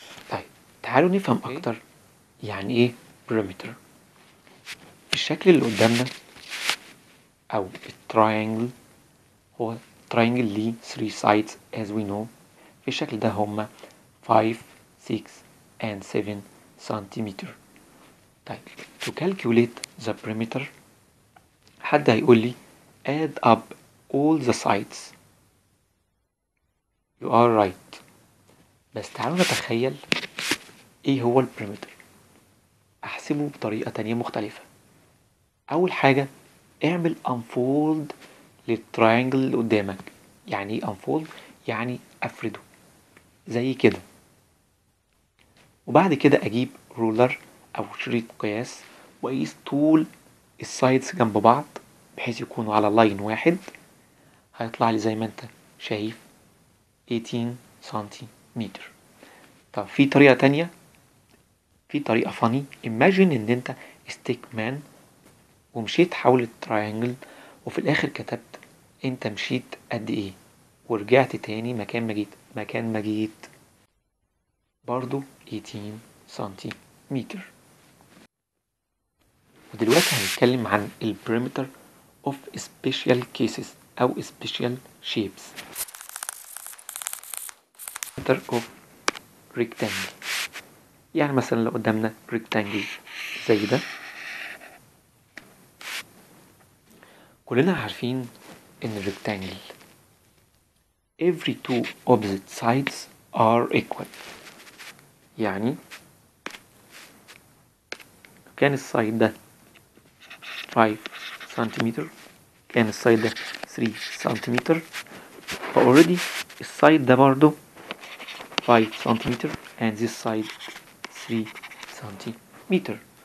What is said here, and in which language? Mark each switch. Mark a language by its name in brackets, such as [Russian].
[Arabic] طيب تعالوا نفهم اكتر يعني ايه بريمتر. الشكل اللي قدامنا او التراينجل هو تراينجل لي 3 سايدز [English] as we know. [Arabic] في الشكل ده هما 5, 6, and 7 سنتيمتر. [English] طيب to calculate the perimeter [Arabic] حد هيقول لي [English] add up all the sides. you are right. [Arabic] بس تعالوا نتخيل ايه هو البريمتر، احسبه بطريقة تانية مختلفة. اول حاجة اعمل unfold للتراينجل اللي قدامك. يعني ايه unfold؟ يعني افرده زي كده، وبعد كده اجيب رولر او شريط قياس وقيس طول السايدز جنب بعض بحيث يكونوا على لاين واحد. هيطلع لي زي ما انت شايف 18 سنتيمتر. طب في طريقة تانية، في طريقة فاني. [English] imagine [Arabic] ان انت stick man ومشيت حول التراينجل وفي الاخر كتبت انت مشيت قد ايه ورجعت تاني مكان ما جيت. مكان ما جيت برضو 18 سنتيمتر. ودلوقتي هنتكلم عن [English] الـ perimeter of special cases أو special shapes. [Arabic] perimeter of rectangle يعني مثلا لو قدامنا rectangle زي ده، كلنا عارفين إن rectangle [English] every two opposite sides are equal، [Arabic] يعني كان السايد ده 5 سنتيمتر كان السايد ده 3 سنتيمتر، فاوريدي السايد ده برضو 5 سنتيمتر [English] and this side [Arabic] 3 سنتيمتر.